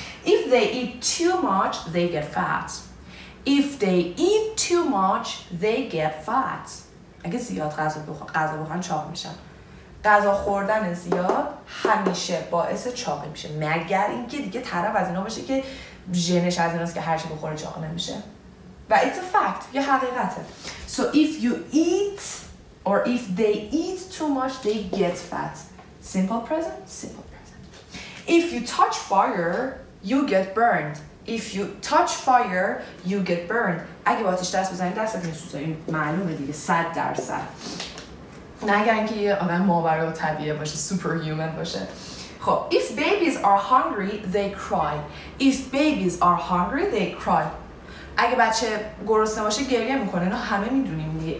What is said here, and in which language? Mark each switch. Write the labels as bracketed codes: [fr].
[en] if they eat too much they get fat، if they eat too much they get fat، [fa] اگه زیاد غذا بخورن چاق میشن. غذا خوردن زیاد همیشه باعث چاقی میشه، مگر اینکه دیگه طرف از اینا باشه که ژنش از ایناست که هرچی بخوره چاق نمیشه. و [en] it's a fact، [fa] یه حقیقته. [en] so if you eat or if they eat too much they get fat، simple present، simple present. if you touch fire you get burned، [fa] if you touch fire you get burned، اگه با آتش دست بزنید دستت میسوزه، این معلومه دیگه 100%، نه اگر اینکه یه آدم ماورای طبیعی باشه، سوپر هیومن باشه. [en] خب if babies are hungry they cry، if babies are hungry they cry، [fa] اگه بچه گرسنه باشه گریه میکنه، اینو همه میدونیم دیگه.